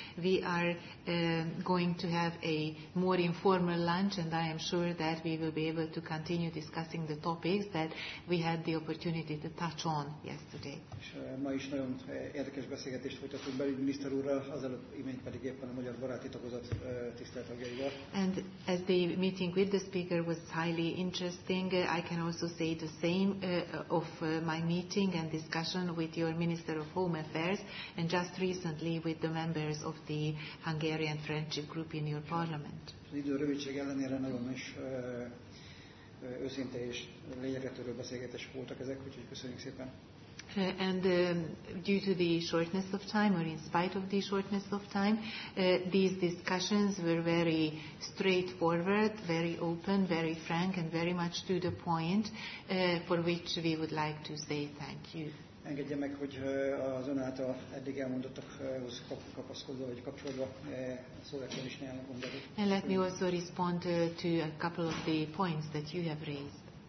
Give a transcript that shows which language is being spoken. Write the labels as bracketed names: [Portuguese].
[English] We are going to have a more informal lunch, and I am sure that we will be able to continue discussing the topics that we had the opportunity to touch on yesterday. [Hungarian] És ma is nagyon érdekes beszélgetést folytatunk belügyminiszter úrral, azelőtt imént pedig éppen a Magyar Baráti Tagozat tisztelt tagjaival. [English] And as the meeting with the speaker was highly interesting, I can also say the same of my meeting and discussion with your Minister of Home Affairs and just recently with the members of the Hungarian Friendship Group in your Parliament. [Hungarian] Az idő rövidség ellenére nagyon is őszinte és lényegre törő beszélgetések voltak ezek, úgyhogy köszönjük szépen. [English] Due to the shortness of time, or in spite of the shortness of time, these discussions were very straightforward, very open, very frank, and very much to the point, for which we would like to say thank you. [Hungarian] Engedje meg, hogy az ön által eddig elmondottakhoz kapaszkodva, vagy kapcsolva szóval is néhány gondolat. [English] And let me also respond to a couple of the points that you have raised.